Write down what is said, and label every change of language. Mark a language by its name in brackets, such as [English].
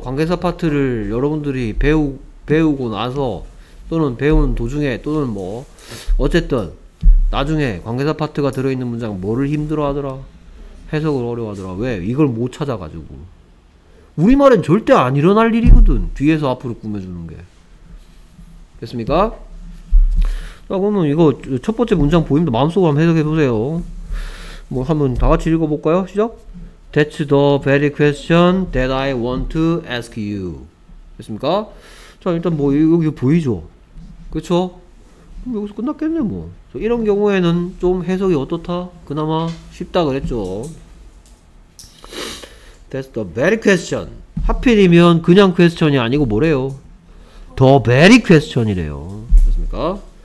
[Korean] 관계사 파트를 여러분들이 배우고 나서, 또는 배운 도중에, 또는 뭐 어쨌든 나중에 관계사 파트가 들어있는 문장 뭐를 힘들어 하더라? 해석을 어려워 하더라. 왜? 이걸 못 찾아가지고. 우리말엔 절대 안 일어날 일이거든. 뒤에서 앞으로 꾸며주는 게. 됐습니까? 자, 그러면 이거 첫 번째 문장 보입니다. 마음속으로 한번 해석해 보세요. 뭐 한번 다 같이 읽어볼까요? 시작. [English] That's the very question that I want to ask you. [Korean] 됐습니까? 자, 일단 뭐 여기 보이죠? 그쵸? 그럼 여기서 끝났겠네 뭐. 자, 이런 경우에는 좀 해석이 어떻다? 그나마 쉽다 그랬죠. [English] That's the very question. [Korean] 하필이면 그냥 question이 아니고 뭐래요? The very question이래요. 됐습니까?